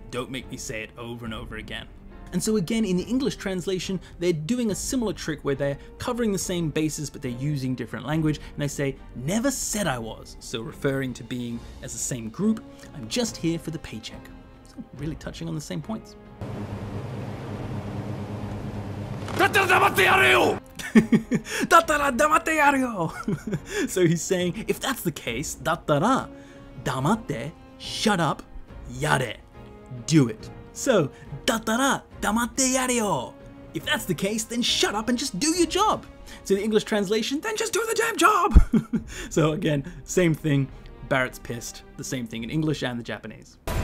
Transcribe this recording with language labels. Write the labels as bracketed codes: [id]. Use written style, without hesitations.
[en] Don't make me say it over and over again. And so again, in the English translation, they're doing a similar trick where they're covering the same bases, but they're using different language, and they say, never said I was. So referring to being as the same group, I'm just here for the paycheck. So really touching on the same points. [ja] だったら黙ってやれよ! だったら黙ってやれよ! [en] So he's saying, if that's the case, [ja] だったら黙って、 [en] shut up,やれ do it. [ja] So, だったら黙ってやれよ。 [en] If that's the case, then shut up and just do your job. So the English translation, then just do the damn job. So again, same thing. Barrett's pissed. The same thing in English and the Japanese.